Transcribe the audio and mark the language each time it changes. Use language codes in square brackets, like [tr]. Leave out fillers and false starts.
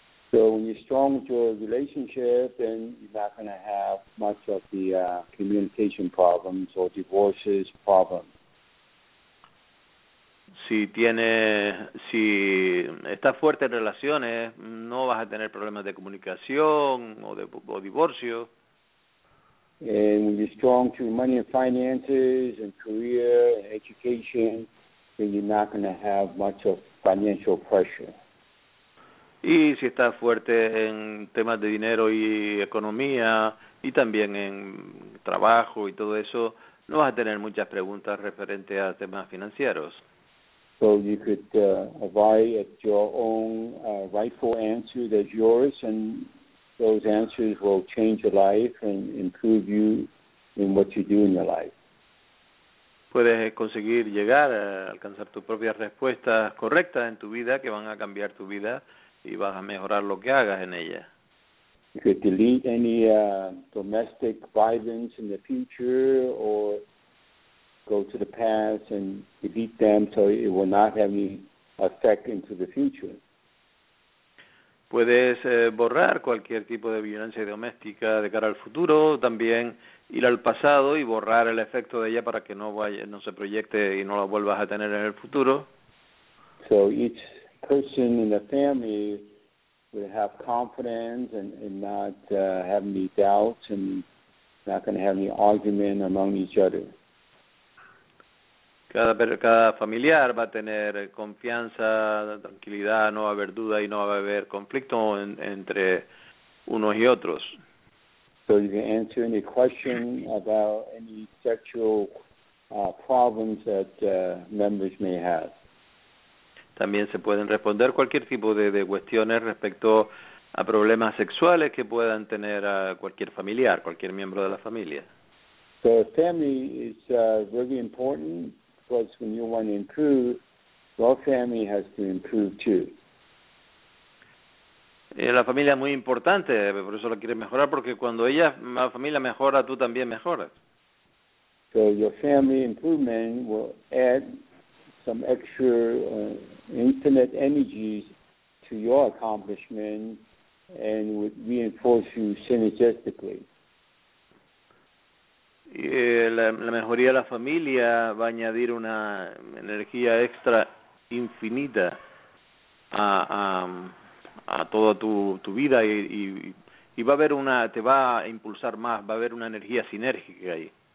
[en] So when you're strong with your relationship, then you're not going to have much of the communication problems or divorces problems. [es] Si estás fuerte en relaciones, no vas a tener problemas de comunicación o divorcio. [en] And when you're strong through money and finances and career and education, then you're not going to have much of financial pressure. [es] Y si estás fuerte en temas de dinero y economía, y también en trabajo y todo eso, no vas a tener muchas preguntas referente a temas financieros. [en] So you could arrive at your own rightful answer that's yours, and those answers will change your life and improve you in what you do in your life. [es] Puedes conseguir llegar a alcanzar tus propias respuestas correctas en tu vida que van a cambiar tu vida y vas a mejorar lo que hagas en ella. [en] You could delete any domestic violence in the future or go to the past and delete them so it will not have any effect into the future. [es] Puedes borrar cualquier tipo de violencia doméstica de cara al futuro, también ir al pasado y borrar el efecto de ella para que no se proyecte y no la vuelvas a tener en el futuro. [en] So each person in the family would have confidence and not have any doubts and not going to have any argument among each other. [es] Cada familiar va a tener confianza, tranquilidad, no va a haber duda y no va a haber conflicto entre unos y otros. [en] So you can answer any question about any sexual problems that members may have. [es] También se pueden responder cualquier tipo de cuestiones respecto a problemas sexuales que puedan tener a cualquier familiar, cualquier miembro de la familia. [en] So family is really important. Because when you want to improve, your family has to improve too. [es] La familia es muy importante, por eso la quieres mejorar, porque cuando ella, la familia mejora, tú también mejoras. [en] So your family improvement will add some extra infinite energies to your accomplishment and would reinforce you synergistically. [es] Y la mejoría de la familia va a añadir una energía extra infinita a toda tu vida y va a haber una, te va a impulsar más, va a haber una energía sinérgica ahí.